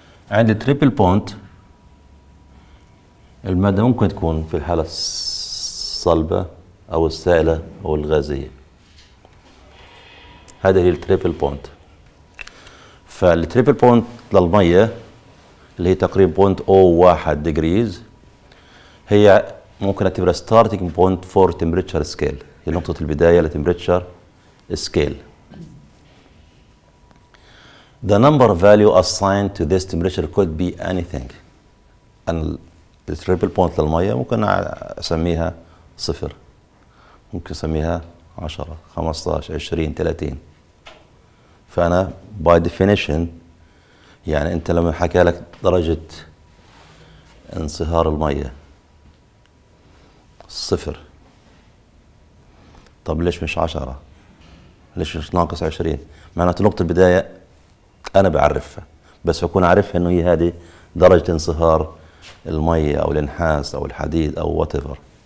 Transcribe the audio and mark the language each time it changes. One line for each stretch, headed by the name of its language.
Arabic: عند تريبل بونت المادة ممكن تكون في الحالة الصلبة أو السائلة أو الغازية، هذا هي التريبل بونت. فالتريبل بونت للمية اللي هي تقريبا بونت أو واحد ديجريز هي ممكن أعتبرها ستارتينج بونت فور تمبريتشر سكيل، هي نقطة البداية لتمبريتشر سكيل.
English: The number value assigned to this temperature could be anything. And the triple point
Arabic: للمية ممكن أسميها صفر، ممكن أسميها عشرة، خمسطاش، عشرين، تلاتين. فأنا
English: by definition
Arabic: يعني أنت لما حكى لك درجة انصهار المية صفر، طب ليش مش عشرة؟ ليش مش ناقص عشرين؟ معناته نقطة البداية أنا بعرفها، بس بكون عارفها إنه هي هذه درجة انصهار المية أو النحاس أو الحديد أو whatever.